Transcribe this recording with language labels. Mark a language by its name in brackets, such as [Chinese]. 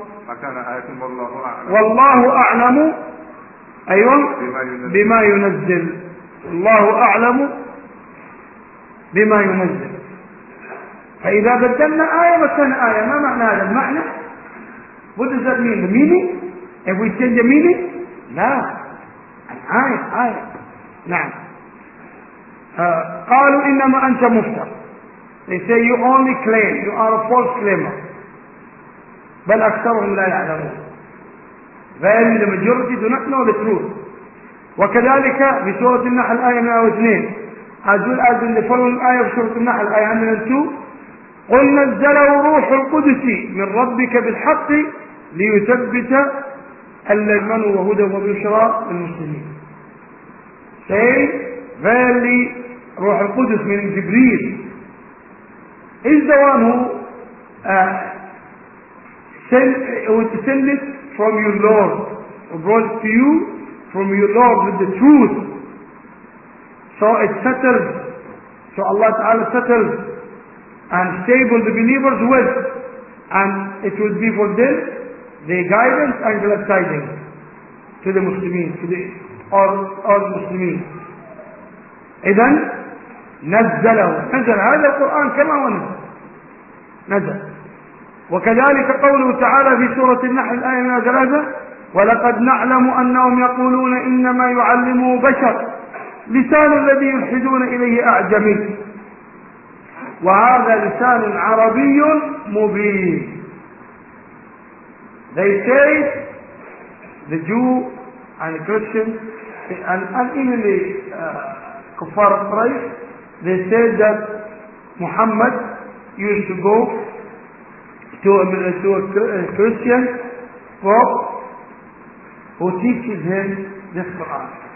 [Arabic] مكان آية والله أعلم والله أعلم أيوة بما ينزل الله أعلم بما ينزل. فإذا بدلنا آية مكان آية ما معنى هذا المعنى؟ [English] What does that mean? The meaning? If we change the meaning? No. An ayah, ayah. [Arabic] نعم. قالوا إنما أنت مفتر. [English] They say you only claim. You are a false claimer. [Arabic] بل أكثرهم لا يعلمون. [English] Very the majority do not know the truth. [Arabic] وكذلك في سورة النحل آية 102. [English] As well as in the following [Arabic] آية في سورة النحل آية [English] 102. [Arabic] قل نزله روح القدس من ربك بالحق ليثبت الذين وهدى وبشرى للمسلمين. [English] Say verily [Arabic] روح القدس من جبريل [English] is the one who sent it from your Lord or brought it to you from your Lord with the truth. So it settles. So Allah Ta'ala settles and stable the believers with, and it would be for this the guidance and glad tidings to the Muslims, to the all Muslims. [Arabic] إذن نزلوا نزل هذا القرآن كما هو نزل. وكذلك قوله تعالى في سورة النحل آية 103 ولقد نعلم أنهم يقولون إنما يعلموا بشر لسان الذي يلحدون إليه أعجمي وهذا لسان عربي مبين. [English] They say the Jew and Christian and even the Kuffar Quraysh, they say that Muhammad used to go to a Christian for who teaches him this Quran.